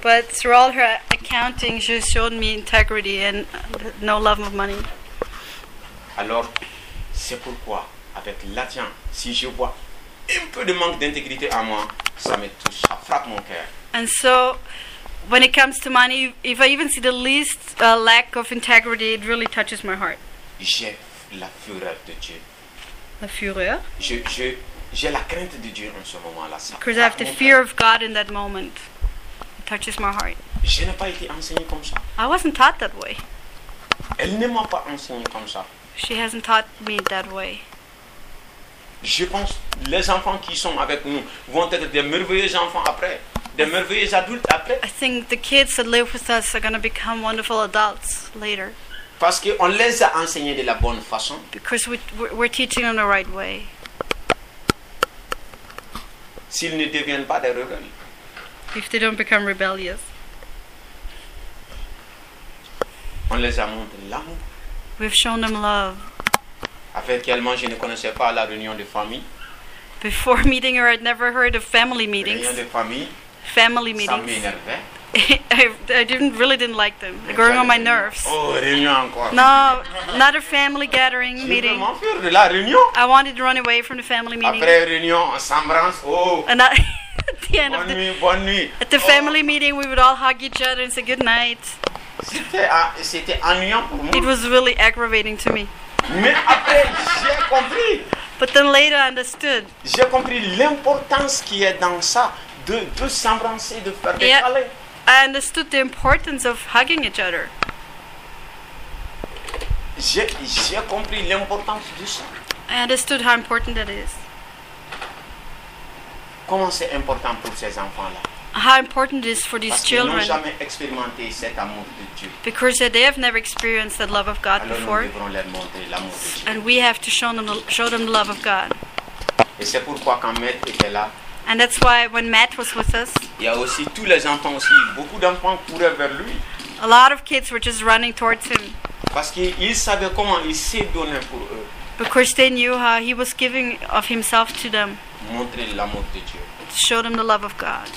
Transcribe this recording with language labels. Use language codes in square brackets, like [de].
[en] But through all her accounting, she showed me integrity and no love of money. [fr] Alors, c'est pourquoi, avec l'argent, si je vois un peu de manque d'intégrité à moi, ça me touche, ça frappe mon cœur. [en] And so, when it comes to money, if I even see the least lack of integrity, it really touches my heart. [fr] J'ai la fureur de Dieu. La fureur? J'ai la crainte de Dieu en ce moment-là. [en] Because I have the fear of God in that moment. It touches my heart. [fr] Je n'ai pas été enseigné comme ça. [en] I wasn't taught that way. [fr] Elle ne m'a pas enseigné comme ça. [en] She hasn't taught me that way. [fr] Je pense les enfants qui sont avec nous vont être des merveilleux enfants après. Des merveilleux adultes après. [en] I think the kids that live with us are going to become wonderful adults later. [fr] Parce qu'on les a enseignés de la bonne façon. [en] Because we're teaching them the right way. [fr] S'ils ne deviennent pas des rebelles. [en] If they don't become rebellious. [fr] On les a montré l'amour. [en] We've shown them love. [fr] Avec elle, moi, je ne connaissais pas la réunion de famille. [en] Before meeting her, I'd never heard of family meetings. [fr] Réunion de famille. [en] Family meetings. [fr] Ça m'énervait. [en] I didn't like them. They're growing on my nerves. [fr] Oh, réunion encore. [en] No, not a family gathering meeting. [fr] De la réunion. [en] I wanted to run away from the family meeting. [fr] Après réunion, on s'embrasse. Oh. [en] And at the end [fr] bonne [en] of the [fr] nuit, bonne nuit. [en] At the family meeting, we would all hug each other and say good night. [fr] C'était ennuyant pour moi. [en] It was really aggravating to me. [fr] Mais après, j'ai compris. [en] But then later, I understood. [fr] J'ai compris l'importance qui est dans ça. De s'embrasser, de faire des câlins. [en] I understood the importance of hugging each other. [fr] J'ai compris l'importance de ça. [en] I understood how important that is. [fr] Comment c'est important pour ces enfants-là? [en] How important it is for these [fr] Parce [en] children? [fr] Parce qu'ils n'ont jamais expérimenté cet amour de Dieu. [en] Because they have never experienced that love of God [fr] Alors [en] before. [fr] Alors nous devrons leur montrer l'amour de Dieu. [en] And we have to show them the love of God. [fr] Et c'est pourquoi quand Maître était là. [en] And that's why when Matt was with us, [fr] il y a aussi tous les enfants aussi. Beaucoup d'enfants couraient vers lui. [en] A lot of kids were just running towards him. [fr] Parce qu'ils savaient comment il s'est donné pour eux. [en] Because they knew how he was giving of himself to them. [fr] Montrer l'amour de Dieu. [en] To show them the love of God.